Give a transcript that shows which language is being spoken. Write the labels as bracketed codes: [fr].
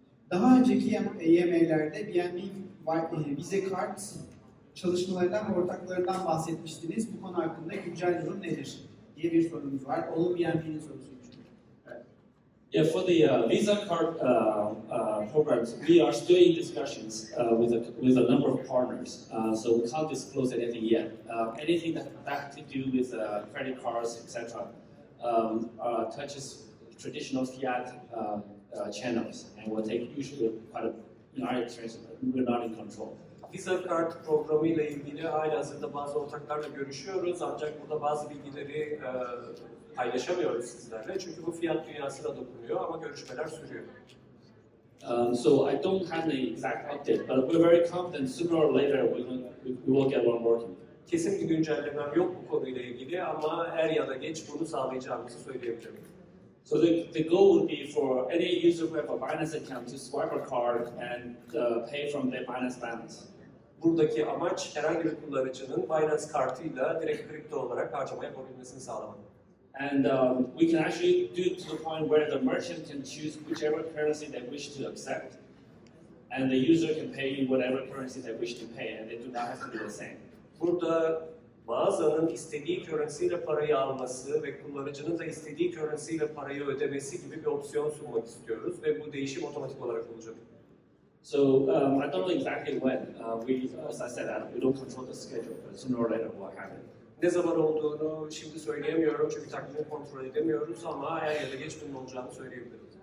[tr] Daha önceki EMA'lerde BNB Vize Kart çalışmalarından ve ortaklarından bahsetmiştiniz. Bu konu hakkında güncel durum nedir diye bir sorumuz var. Olum BNP'nin sorusu. [en] Yeah, for the Visa card programs, we are still in discussions with a number of partners. So we can't disclose anything yet. Anything that to do with credit cards, etc., touches traditional fiat channels and will take usually quite a in our experience, we're not in control. [tr] Visa card programı ile ilgili halihazırda bazı ortaklarla görüşüyoruz, ancak burada bazı bilgileri paylaşamıyoruz sizlerle çünkü bu fiyat dünyasına dokunuyor ama görüşmeler sürüyor. [en] So I don't have the exact update, but we're very confident sooner or later we will get one working. [tr] Kesin bir güncellemem yok bu konuyla ilgili ama er ya da geç bunu sağlayacağımızı söyleyebilirim. [en] So the goal would be for any user who have a Binance account to swipe a card and pay from their Binance balance. [tr] Buradaki amaç herhangi bir kullanıcının Binance kartıyla direkt kripto olarak harcama yapabilmesini sağlamak. [en] And we can actually do it to the point where the merchant can choose whichever currency they wish to accept. And the user can pay in whatever currency they wish to pay and they do not have to be the same. [tr] Burada mağazanın istediği currency ile parayı alması ve kullanıcının da istediği currency ile parayı ödemesi gibi bir opsiyon sunmak istiyoruz ve bu değişim otomatik olarak olacak. [en] So I don't know exactly when. As I said, we don't control the schedule, but sooner or later will happen. [tr] Ne zaman olduğunu şimdi söyleyemiyorum çünkü takvimi kontrol edemiyoruz ama her yerde geç bunun olacağını söyleyebilirim.